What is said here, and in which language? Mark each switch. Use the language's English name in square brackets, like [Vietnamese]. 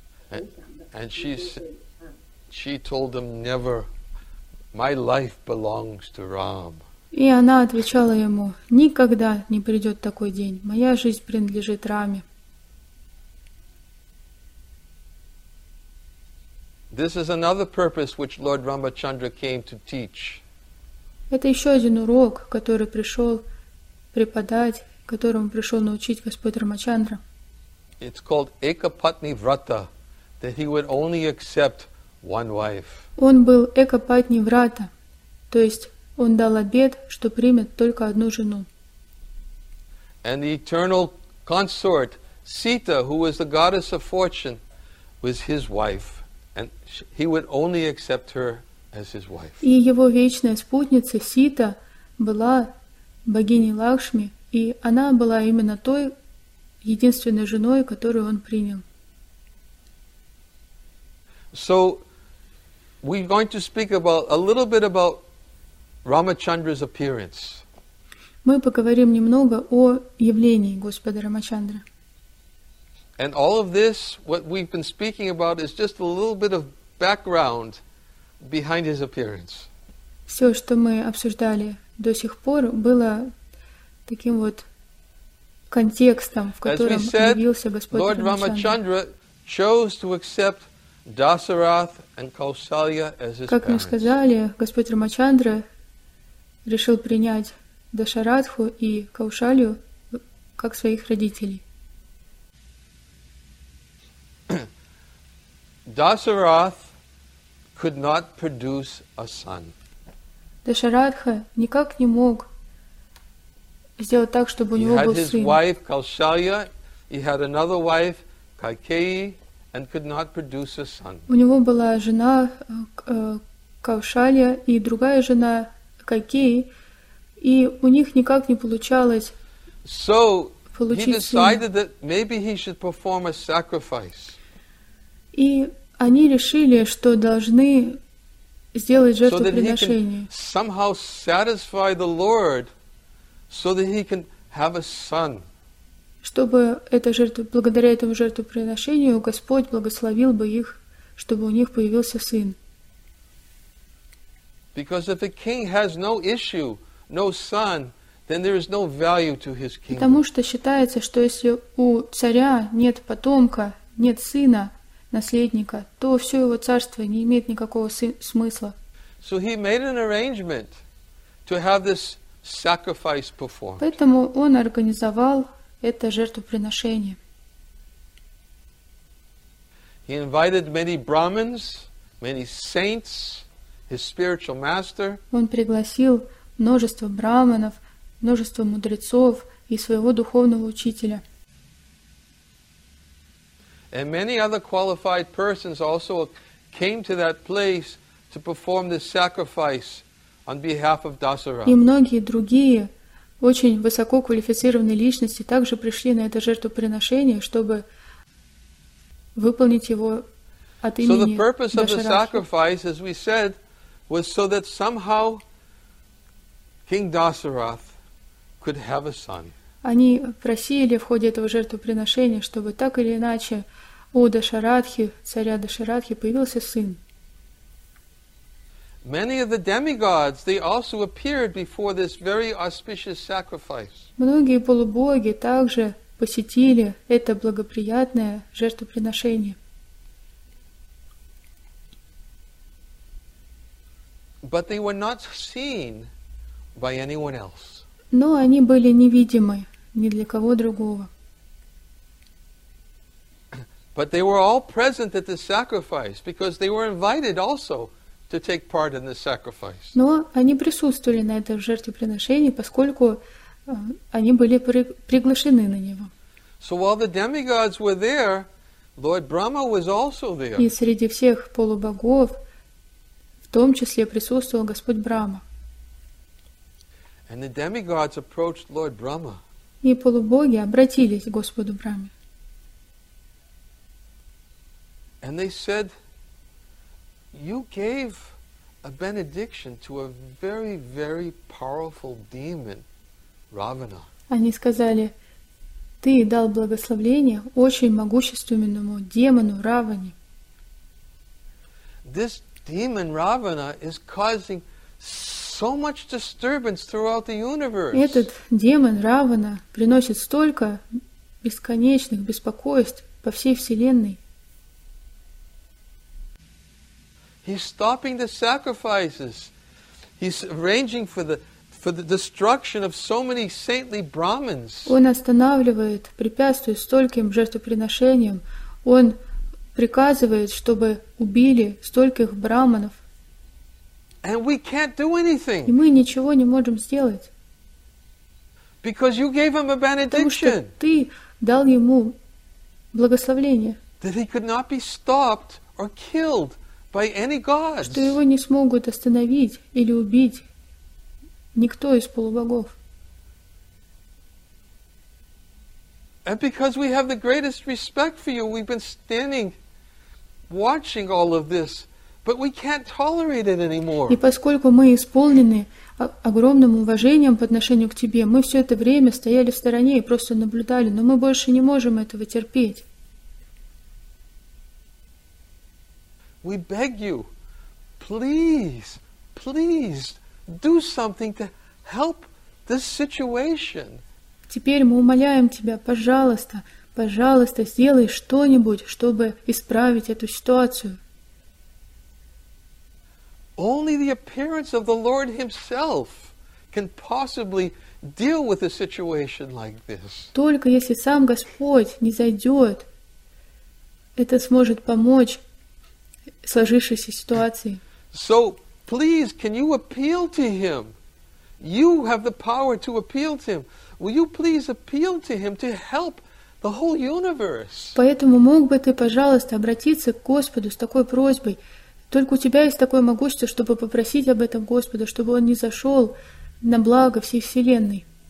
[English] And she told him, never. My life belongs to Ram. [Russian] И она отвечала ему, никогда не придет такой день, моя жизнь принадлежит Раме. [English] This is another purpose which Lord Ramachandra came to teach. [Russian] Это еще один урок, который пришел преподать, которому пришел научить Господь Рамачандра. [English] It's called Ekapatni Vrata, that he would only accept one wife. [Russian] Он был Ekapatni Vrata, то есть он дал обет, что примет только одну жену. [English] And the eternal consort Sita, who was the goddess of fortune, was his wife, and he would only accept her. [Russian] И его вечная спутница Сита была богиней Лакшми, и она была именно той единственной женой, которую он принял. [English] So, We're going to speak about a little bit about Ramachandra's appearance. [Russian] Мы поговорим немного о явлении Господа Рамачандры. [English] And all of this, what we've been speaking about, is just a little bit of background behind his appearance. [Russian] Все, что мы обсуждали до сих пор, было таким вот контекстом, в котором явился Господь [English] Lord [Russian] Рамачандра. [English] As we said, Lord Ramachandra chose to accept Dasarath and Kausalya as his [Russian] как [English] parents. [Russian] Мы сказали, Господь Рамачандра решил принять Дашарадху и Каушалью как своих родителей. [English] Дасарат could not produce a son. [Russian] Дашарадха никак не мог сделать так, чтобы у него был сын. [English] He had his wife Kausalya, he had another wife Kaikeyi, and could not produce a son. [Russian] У него была жена Каушалья и другая жена Кайкеи, и у них никак не получалось [English] so, [Russian] получить сына. [English] So he decided that maybe he should perform a sacrifice. [Russian] И они решили, что должны сделать жертвоприношение. [English] So that he can somehow satisfy the Lord, so that he can have a son. [Russian] Чтобы эта жертва, благодаря этому жертвоприношению, Господь благословил бы их, чтобы у них появился сын. [English] Because if a king has no issue, no son, then there is no value to his kingdom. [Russian] Потому что считается, что если у царя нет потомка, нет сына, наследника, то все его царство не имеет никакого смысла. [English] So he made an arrangement to have this sacrifice performed. [Russian] Поэтому он организовал это жертвоприношение. [English] He invited many Brahmins, many saints, his spiritual master. [Russian] Он пригласил множество браманов, множество мудрецов и своего духовного учителя. [English] And many other qualified persons also came to that place to perform this sacrifice on behalf of Dasarath. [Russian] И многие другие очень высоко квалифицированные личности также пришли на это жертвоприношение, чтобы выполнить его от имени Дашарадхи. [English] So the purpose of the sacrifice, as we said, was so that somehow King Dasarath could have a son. [Russian] Они просили в ходе этого жертвоприношения, чтобы так или иначе у Дашарадхи, царя Дашарадхи, появился сын. [English] Many of the demigods, they also appeared before this very auspicious sacrifice. [Russian] Многие полубоги также посетили это благоприятное жертвоприношение. [English] But they were not seen by anyone else. [Russian] Но они были невидимы ни для кого другого. [English] But they were all present at the sacrifice because they were invited also to take part in the sacrifice. [Russian] Но они присутствовали на этом жертвоприношении, поскольку они были приглашены на него. [English] So while the demigods were there, Lord Brahma was also there. [Russian] И среди всех полубогов, в том числе, присутствовал Господь Брахма. [English] And the demigods approached Lord Brahma. [Russian] И полубоги обратились к Господу Брахме. [English] And they said, you gave a benediction to a very, very powerful demon, Ravana. [Russian] Они сказали, ты дал благословение очень могущественному демону Раване. [English] This demon Ravana is causing so much disturbance throughout the universe. [Russian] Этот демон Равана приносит столько бесконечных беспокойств по всей вселенной. [English] He's stopping the sacrifices. He's arranging for the destruction of so many saintly Brahmins. [Russian] Он останавливает, препятствует стольким жертвоприношениям. Он приказывает, чтобы убили стольких браманов. [English] And we can't do anything. [Russian] И мы ничего не можем сделать. [English] Because you gave him a benediction. [Russian] Потому что ты дал ему благословение. [English] That he could not be stopped or killed by any gods. [Russian] Что его не смогут остановить или убить никто из полубогов. [English] And because we have the greatest respect for you, we've been standing watching all of this But we can't tolerate it anymore. [Russian] И поскольку мы исполнены огромным уважением по отношению к Тебе, мы все это время стояли в стороне и просто наблюдали, но мы больше не можем этого терпеть. [English] We beg you, please, please do something to help this situation. [Russian] Теперь мы умоляем Тебя, пожалуйста, пожалуйста, сделай что-нибудь, чтобы исправить эту ситуацию. [English] Only the appearance of the Lord Himself can possibly deal with a situation like this. [Russian] Только если сам Господь не зайдет, это сможет помочь сложившейся ситуации. [English] So, please, can you appeal to Him? You have the power to appeal to Him. Will you please appeal to Him to help the whole universe? [Russian] Поэтому мог бы ты, пожалуйста, обратиться к Господу с такой просьбой? Только у тебя есть такое могущество, чтобы попросить об этом Господа, чтобы Он не зашел на благо всей Вселенной.